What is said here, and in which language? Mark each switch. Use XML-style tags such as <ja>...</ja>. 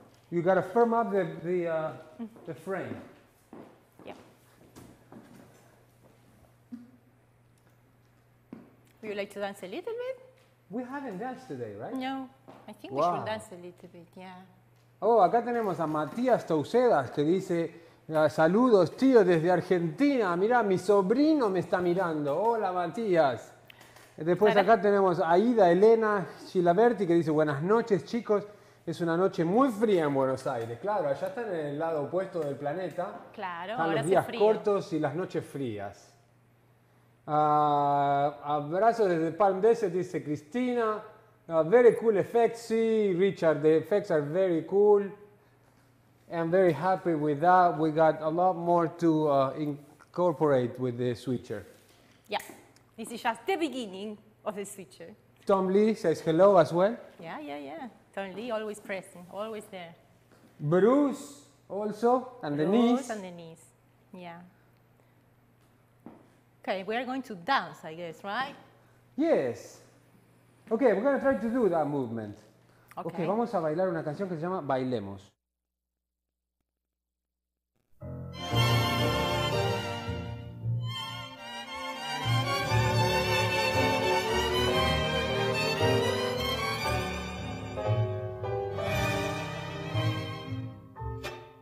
<en>You gotta firm up the frame. Yeah. Would you like to dance a little bit? We haven't danced today, right? No, I think we should dance a little bit, yeah.</en> <es>Oh, acá tenemos a Matías Taucedas que dice, saludos, tío, desde Argentina. Mira, mi sobrino me está mirando. Hola, Matías. Después acá tenemos a Aida Elena Gilaberti, que dice, buenas noches, chicos. Es una noche muy fría en Buenos Aires. Claro, allá están en el lado opuesto del planeta. Claro, están ahora los días hace frío. Cortos y las noches frías. Abrazos desde Palm Desert, dice Cristina.</es> <en>Very cool effects. Sí, Richard, the effects are very cool. I'm very happy with that. We got a lot more to incorporate with the switcher. Yeah, this is just the beginning of the switcher. Tom Lee says hello as well. Yeah. Tom Lee always present, always there. Bruce also, and Bruce the knees. Bruce and the knees, yeah. Okay, we are going to dance, I guess, right? Yes. Okay, we're going to try to do that movement. Okay,</en> <es>vamos a bailar una canción que se llama Bailemos.</es> <en>Thank you.</en>